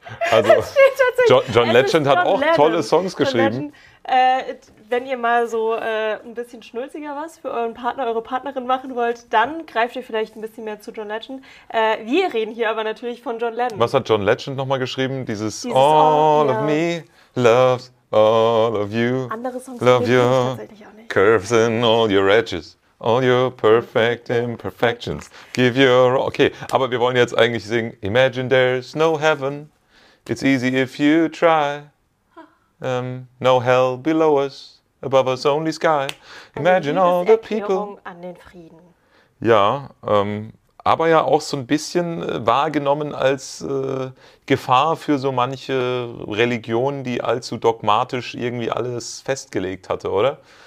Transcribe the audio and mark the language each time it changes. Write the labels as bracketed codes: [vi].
[de] Also, John Legend hat auch tolle Songs geschrieben. Wenn ihr mal so ein bisschen schnulziger was für euren Partner, eure Partnerin machen wollt, dann greift ihr vielleicht ein bisschen mehr zu John Legend. Wir reden hier aber natürlich von John Lennon. Was hat John Legend nochmal geschrieben? [en] Dieses All of me loves all of you. [de] Andere Songs love you. Tatsächlich auch nicht. [en] Curves in all your edges. All your perfect imperfections. Give your... [de] Okay, aber wir wollen jetzt eigentlich singen Imagine there's no heaven. [en] It's easy if you try. No hell below us, above us only sky. Imagine all the people. [de] An den Frieden. Ja, aber ja auch so ein bisschen wahrgenommen als Gefahr für so manche Religion, die allzu dogmatisch irgendwie alles festgelegt hatte, oder?